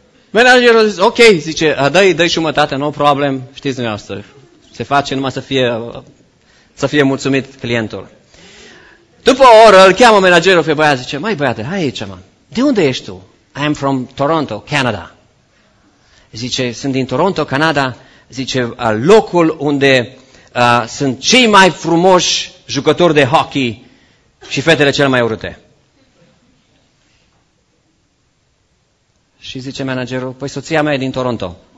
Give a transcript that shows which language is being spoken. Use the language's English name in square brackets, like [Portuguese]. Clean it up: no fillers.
[Romanian] Managerul zice, ok, zice, dă-i jumătate, [English] no problem, [Romanian] știți dumneavoastră, se face numai să fie mulțumit clientul. După o oră îl cheamă managerul pe băiat, zice, măi băiate, hai aici, mă, de unde ești tu? [English] I am from Toronto, Canada. [Romanian] Zice, sunt din Toronto, Canada, zice, locul unde sunt cei mai frumoși jucători de hockey și fetele cele mai urâte. Și zice managerul, păi soția mea e din Toronto.